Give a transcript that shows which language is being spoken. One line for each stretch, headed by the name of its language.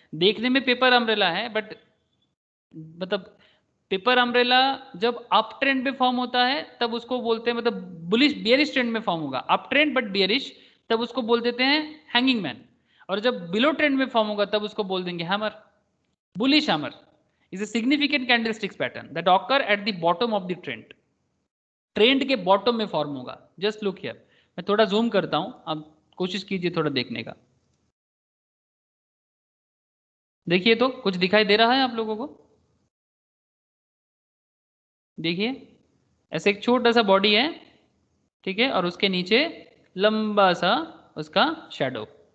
Hindi: देखने में paper umbrella है, बट मतलब पेपर अम्ब्रेला जब अप ट्रेंड में फॉर्म होता है तब उसको बोलते हैं, मतलब बुलिश बियरिश ट्रेंड में फॉर्म होगा, अप ट्रेंड बट बियरिश, तब उसको बोल देते हैं हैंगिंग मैन, और जब बिलो ट्रेंड में फॉर्म होगा तब उसको बोल देंगे hammer, bullish hammer.
English: is a significant candlesticks pattern that occur at the bottom of the trend.
Hindi: Trend के bottom में form होगा.
English: Just look here.
Hindi: मैं थोड़ा zoom करता हूँ. आप कोशिश कीजिए थोड़ा देखने का. देखिए तो कुछ दिखाई दे रहा है आप लोगों को. देखिए ऐसे एक छोटा सा body है, ठीक है, और उसके नीचे लंबा सा उसका shadow.